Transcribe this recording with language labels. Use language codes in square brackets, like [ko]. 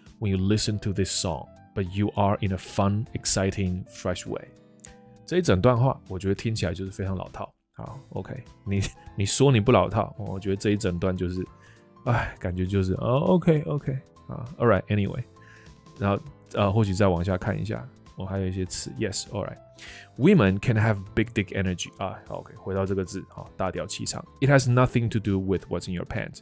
[en] When you listen to this song, but you are in a fun, exciting, fresh way. [zh] 这一整段话我觉得听起来就是非常老套。好 ,OK, 你说你不老套，我觉得这一整段就是哎感觉就是哦 ,OK,OK, 啊 , [en] Alright, anyway. [zh] 然后或许再往下看一下我还有一些词 , [en] Yes, alright. Women can have big dick energy. [zh] 啊 ,OK, 回到这个字啊，大屌气场。 [en] It has nothing to do with what's in your pants.